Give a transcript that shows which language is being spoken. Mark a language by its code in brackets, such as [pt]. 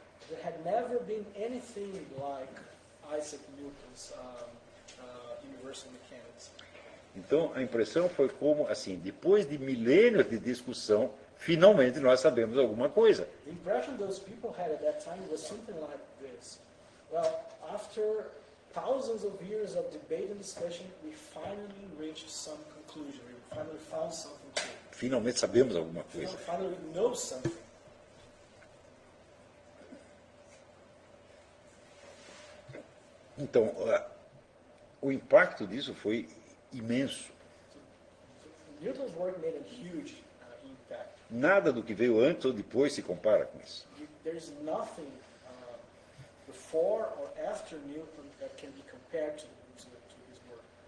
[en] There had never been anything like Isaac Newton's universal mechanics. [pt] Então, a impressão foi como, assim, depois de milênios de discussão, finalmente nós sabemos alguma coisa. [en] The impression those people had at that time was something like this. Well, after thousands of years of debate and discussion, we finally reached some conclusion. We finally found something to it. [pt] Finalmente sabemos alguma coisa. [en] We finally know something. [pt] Então, o impacto disso foi imenso. [en] Newton's work made a huge impact. [pt] Nada do que veio antes ou depois se compara com isso. [en] There's nothing before or after Newton that can be compared to his work.